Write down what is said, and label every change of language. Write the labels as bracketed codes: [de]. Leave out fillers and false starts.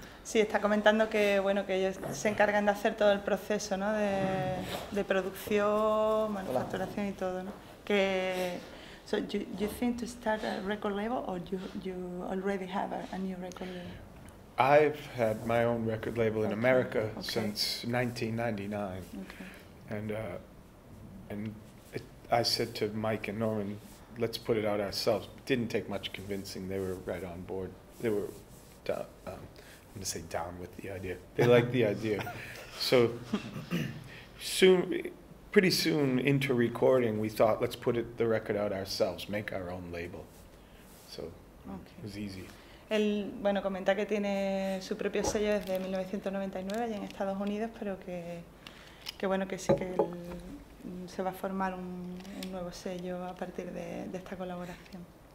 [es] Sí, está comentando que bueno que ellos se encargan de hacer todo el proceso, ¿no? De producción, manufacturación y todo, ¿no? Que [en] so you think to start a record label or you already have a new record label? I've had my own record label in America since 1999. Okay. And I said to Mike and Norman, let's put it out ourselves. Didn't take much convincing. They were right on board. They were, down with the idea. They liked the idea. So pretty soon into recording, we thought, let's put the record out ourselves, make our own label. So okay. It was easy. [es] Él, bueno, comenta que tiene su propio sello desde 1999 allí en Estados Unidos, pero que que bueno, que sí que el, se va a formar un nuevo sello a partir de esta colaboración.